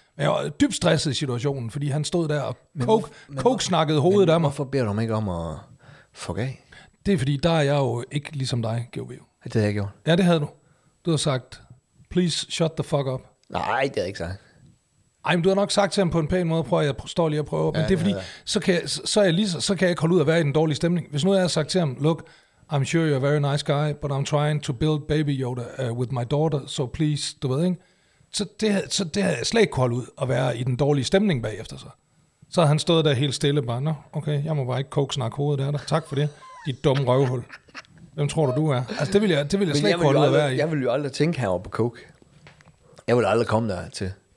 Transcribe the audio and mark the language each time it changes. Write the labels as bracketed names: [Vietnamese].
[Danish] Men jeg var dybt stresset i situationen, fordi han stod der og coke-snakkede hovedet af mig. Hvorfor beder du mig ikke om at fuck af? Det er fordi, der er jeg jo ikke ligesom dig, GOV. Det havde jeg gjort. Ja, det havde du. Du har sagt, [English] please shut the fuck up. [Danish] Nej, det er ikke sagt. Ej, men du har nok sagt til ham på en pæn måde, prøv at jeg står lige og prøver. Ja, men det er fordi, så kan jeg ikke holde ud at være i den dårlige stemning. Hvis nu jeg har sagt til ham, [English] look, I'm sure you're a very nice guy, but I'm trying to build Baby Yoda with my daughter, so please, [Danish] du ved ikke. Så det havde jeg slet ikke kunne holde ud at være i den dårlige stemning bagefter sig. Så havde han stået der helt stille, bare, nå, okay, jeg må bare ikke coke snakke hovedet af dig. Tak for det, dit dumme røvhul. Hvem tror du er? Altså, det ville jeg slet ikke kunne holde ud at være i. Jeg ville jo aldrig tænke herovre på coke. Jeg ville aldrig komme der til.